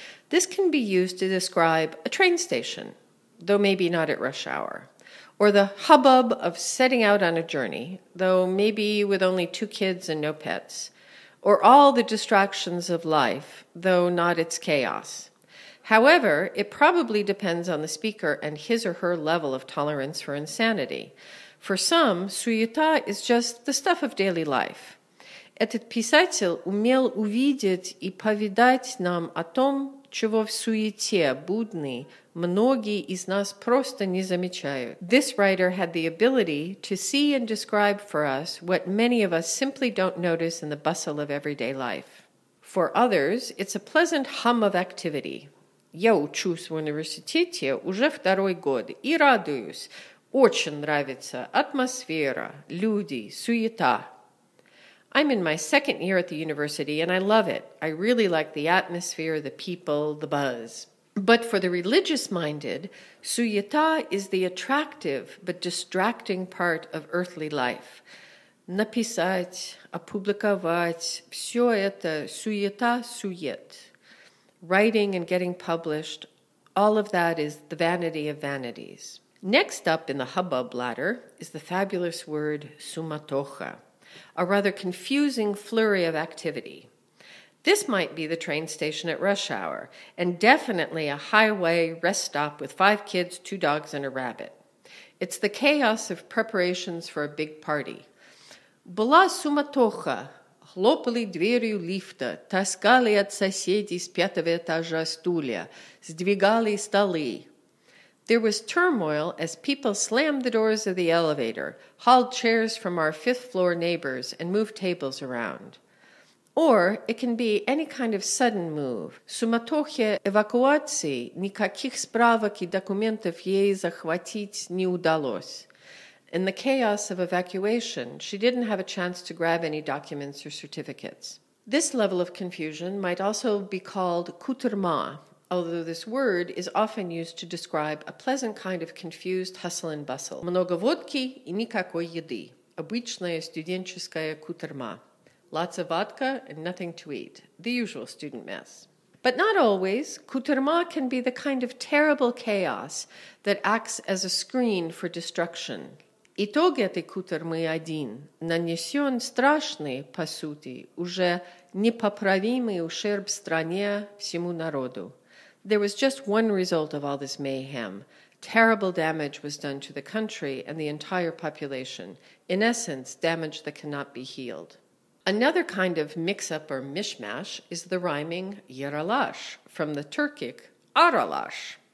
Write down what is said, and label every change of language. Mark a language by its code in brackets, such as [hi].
[en] This can be used to describe a train station, though maybe not at rush hour, or the hubbub of setting out on a journey, though maybe with only two kids and no pets, or all the distractions of life, though not its chaos. However, it probably depends on the speaker and his or her level of tolerance for insanity. For some, суета is just the stuff of daily life. [ru] Этот писатель умел увидеть и повидать нам о том, чего в суете будни многие из нас просто не замечают. [en] This writer had the ability to see and describe for us what many of us simply don't notice in the bustle of everyday life. For others, it's a pleasant hum of activity. [ru] Я учусь в университете уже второй год и радуюсь. Очень нравится атмосфера, люди, суета. [en] I'm in my second year at the university and I love it. I really like the atmosphere, the people, the buzz. But for the religious-minded, суета is the attractive but distracting part of earthly life. [ru] Написать, опубликовать, все это суета, сует. [en] Writing and getting published, all of that is the vanity of vanities. Next up in the hubbub ladder is the fabulous word суматоха, a rather confusing flurry of activity. This might be the train station at rush hour, and definitely a highway rest stop with five kids, two dogs, and a rabbit. It's the chaos of preparations for a big party. [ru] Была суматоха, хлопали дверью лифта, таскали от соседей с пятого этажа стулья, сдвигали столы. [en] There was turmoil as people slammed the doors of the elevator, hauled chairs from our fifth-floor neighbors, and moved tables around. Or it can be any kind of sudden move. [ru] Суматохе эвакуации никаких справок и документов ей захватить не удалось. [en] In the chaos of evacuation, she didn't have a chance to grab any documents or certificates. This level of confusion might also be called кутерма, although this word is often used to describe a pleasant kind of confused hustle and bustle. [ru] Много водки и никакой еды. Обычная студенческая кутерма. [en] Lots of vodka and nothing to eat. The usual student mess. But not always. Кутерма can be the kind of terrible chaos that acts as a screen for destruction. [ru] Итог этой кутермы один. Нанесен страшный, по сути, уже непоправимый ущерб стране, всему народу. [en] There was just one result of all this mayhem. Terrible damage was done to the country and the entire population. In essence, damage that cannot be healed. Another kind of mix-up or mishmash is the rhyming yaralash from the Turkic aralash.